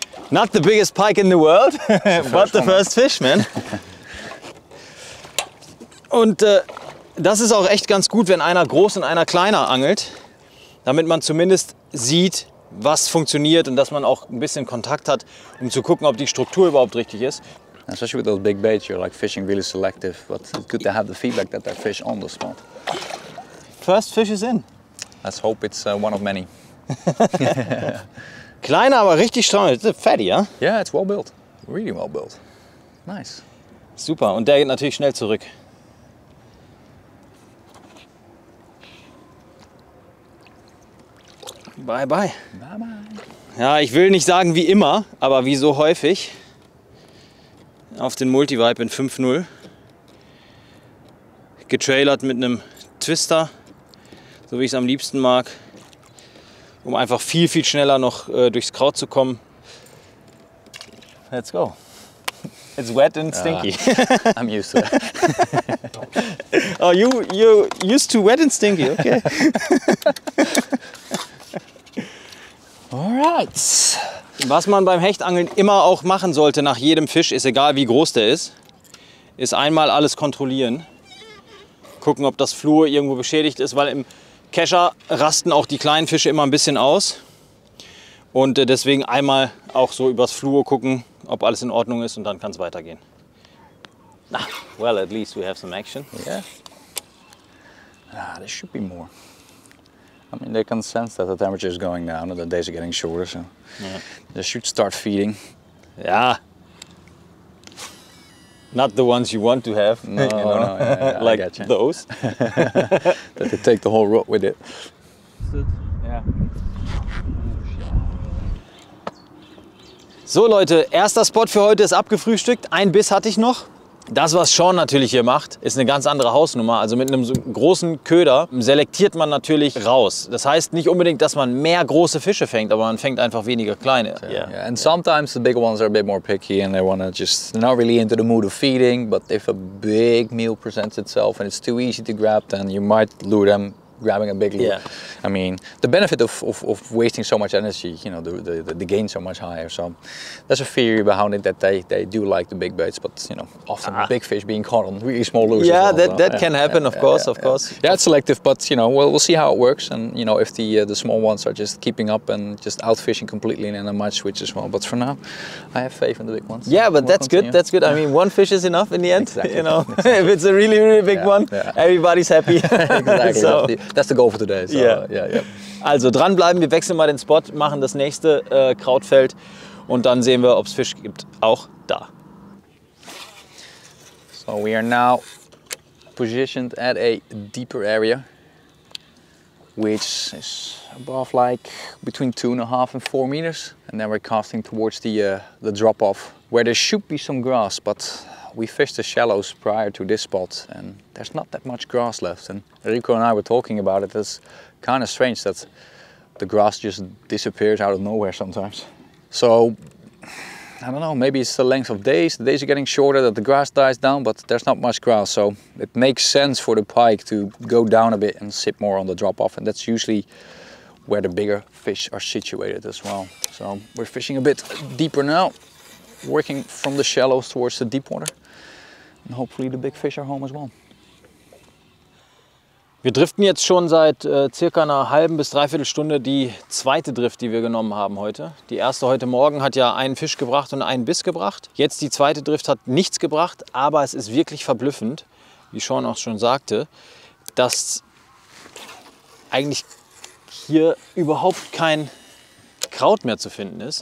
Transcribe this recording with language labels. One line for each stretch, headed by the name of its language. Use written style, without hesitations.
English: Not the biggest pike in the world, but the first fish, man.
German: Und das ist auch echt ganz gut, wenn einer groß und einer kleiner angelt. Damit man zumindest sieht, was funktioniert und dass man auch ein bisschen Kontakt hat, um zu gucken, ob die Struktur überhaupt richtig ist.
English: Especially with those big baits, you're like fishing really selective, but it's good to have the feedback that there are fish on the spot. First fish is in. Let's hope it's one of many.
German: Kleiner, aber richtig
English: strong. It's a fatty, huh? Yeah, it's well built. Really well built. Nice.
German: Super, und der geht natürlich schnell zurück.
English: Bye bye. Bye bye.
German: Ja, ich will nicht sagen wie immer, aber wie so häufig auf den Multivibe in 5-0. Getrailert mit einem Twister, so wie ich es am liebsten mag, um einfach viel, viel schneller noch durchs Kraut zu kommen.
English: Let's go. It's wet and stinky. I'm used to it. Oh, you used to wet and stinky, okay. Alright.
German: Was man beim Hechtangeln immer auch machen sollte nach jedem Fisch, ist egal wie groß der ist, ist einmal alles kontrollieren. Gucken, ob das Fluor irgendwo beschädigt ist, weil im Kescher rasten auch die kleinen Fische immer ein bisschen aus. Und deswegen einmal auch so übers Fluor gucken, ob alles in Ordnung ist und dann kann es weitergehen.
English: Ah, well, at least we have some action. Yeah. Ah, there should be more. I mean, they can sense that the temperature is going down and the days are getting shorter, so yeah. They should start feeding. Yeah. Not the ones you want to have. No, you know? No, yeah, like I get you. Those. That they take the whole rod with it. Yeah.
German: So, Leute, erster Spot für heute ist abgefrühstückt. Ein Biss hatte ich noch. Das, was Sean natürlich hier macht, ist eine ganz andere Hausnummer. Also mit einem großen Köder selektiert man natürlich raus. Das heißt nicht unbedingt, dass man mehr große Fische fängt, aber man fängt einfach weniger kleine.
English: Yeah. Yeah. And sometimes the big ones are a bit more picky and they want to just not really into the mood of feeding. But if a big meal presents itself and it's too easy to grab, then you might lure them grabbing a big lure. Yeah. I mean, the benefit of wasting so much energy, you know, the gain so much higher. So there's a theory behind it that they do like the big baits, but, you know, often big fish being caught on really small lures. Yeah, as well, that can happen, of course. Yeah, it's selective, but, you know, we'll see how it works. And, you know, if the small ones are just keeping up and just out fishing completely, then I might switch as well. But for now, I have faith in the big ones. Yeah, but that's good. I mean, one fish is enough in the end, exactly. You know. Exactly. If it's a really, really big one, everybody's happy. Exactly. So. That's the goal for today. So, yeah.
German: Also dranbleiben, wir wechseln mal den Spot, machen das nächste Krautfeld und dann sehen wir, ob es Fisch gibt, auch da.
English: So we are now positioned at a deeper area, which is above like between 2.5 and 4 meters. And then we're casting towards the drop-off, where there should be some grass, but we fished the shallows prior to this spot and there's not that much grass left. And Enrico and I were talking about it. It's kind of strange that the grass just disappears out of nowhere sometimes. So, I don't know, maybe it's the length of days. The days are getting shorter, that the grass dies down, but there's not much grass. So it makes sense for the pike to go down a bit and sit more on the drop off. And that's usually where the bigger fish are situated as well. So we're fishing a bit deeper now. Working from the shallows towards the deep water. And hopefully the big fish are home as well.
German: Wir driften jetzt schon seit circa einer halben bis dreiviertel Stunde die zweite Drift, die wir genommen haben heute. Die erste heute Morgen hat ja einen Fisch gebracht und einen Biss gebracht. Jetzt die zweite Drift hat nichts gebracht, aber es ist wirklich verblüffend, wie Sean auch schon sagte, dass eigentlich hier überhaupt kein Kraut mehr zu finden ist.